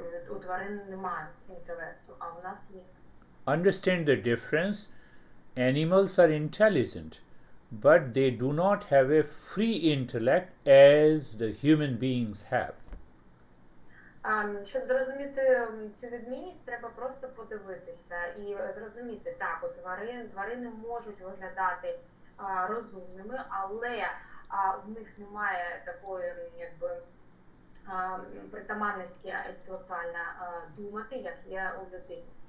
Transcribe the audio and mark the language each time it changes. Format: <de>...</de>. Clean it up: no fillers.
<uk>У тварин немає інтелекту, а у нас є.</uk> <en>Understand the difference? Animals are intelligent, but they do not have a free intellect as the human beings have.</en> <uk>Щоб зрозуміти цю відмінність, треба просто подивитися і зрозуміти, так, у тварини можуть виглядати розумними, але в них немає такої, якби, притаманності інтелектуально думати, як є у людини.</uk>